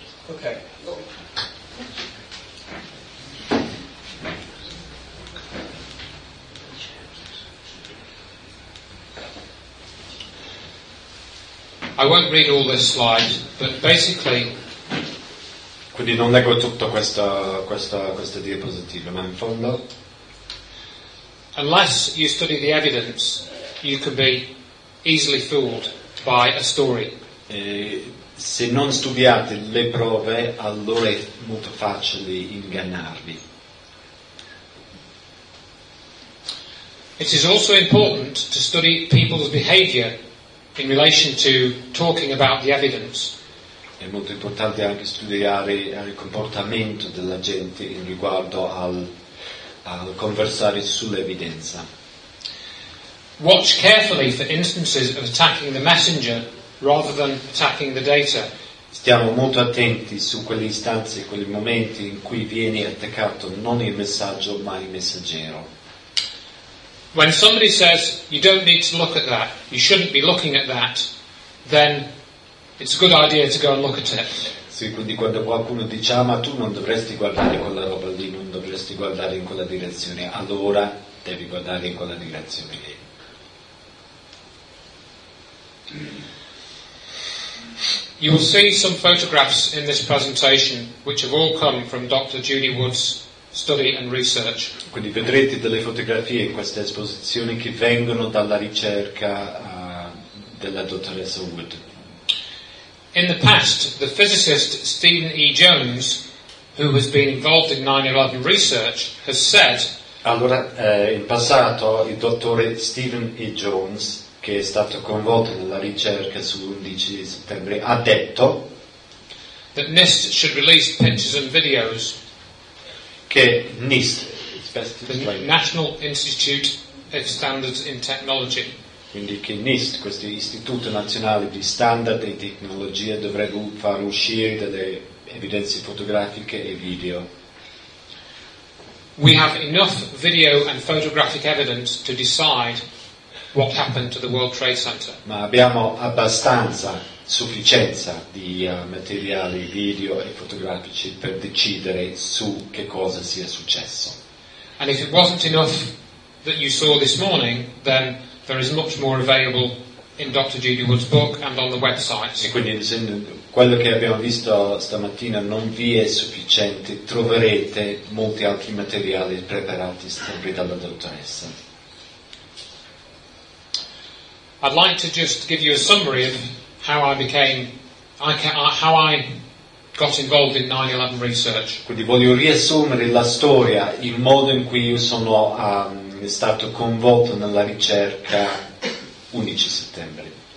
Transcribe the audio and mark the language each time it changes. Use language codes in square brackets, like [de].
[en] Okay. I won't read all this slide, but basically. [it] Quindi non leggo tutta questa diapositiva, ma in fondo. [en] Unless you study the evidence, you can be easily fooled by a story. [it] E se non studiate le prove, allora è molto facile ingannarvi. [en] It is also important to study people's behavior in relation to talking about the evidence. [it] È molto importante anche studiare il comportamento della gente in riguardo al conversare sull'evidenza. [en] Watch carefully for instances of attacking the messenger rather than attacking the data. [it] Stiamo molto attenti su quelle istanze, quei momenti in cui viene attaccato non il messaggio ma il messaggero. [en] When somebody says you don't need to look at that, you shouldn't be looking at that, then it's a good idea to go and look at it. [it] Sì, quindi quando qualcuno dice ma tu non dovresti guardare quella roba lì, non dovresti guardare in quella direzione, allora devi guardare in quella direzione lì. [en] You will see some photographs in this presentation which have all come from Dr. Judy Wood's study and research. [it] Quindi vedrete delle fotografie in questa esposizione che vengono dalla ricerca della dottoressa Wood. [en] In the past, the physicist Stephen E. Jones, who has been involved in 9/11 research, has said... [it] Allora, in passato, il dottore Stephen E. Jones, che è stato coinvolto nella ricerca su 11 settembre, ha detto... [en] ...that NIST should release pictures and videos... [it] ...che NIST... [en] ...National Institute of Standards in Technology... [it] Quindi che NIST, questo Istituto Nazionale di Standard e Tecnologia, dovrebbe far uscire delle evidenze fotografiche e video. [en] We have enough video and photographic evidence to decide what happened to the World Trade Center. [it] Ma abbiamo abbastanza, sufficienza di materiali video e fotografici per decidere su che cosa sia successo. [en] And if it wasn't enough that you saw this morning, then there is much more available in Dr. Judy Wood's book and on the website. [it] E quindi quello che abbiamo visto stamattina non vi è sufficiente, troverete molti altri materiali preparati sempre dalla dottoressa. [en] I'd like to just give you a summary of how I got involved in 9/11 research. [it] Quindi voglio riassumere la storia, il modo in cui io sono è stato coinvolto nella ricerca 11 settembre.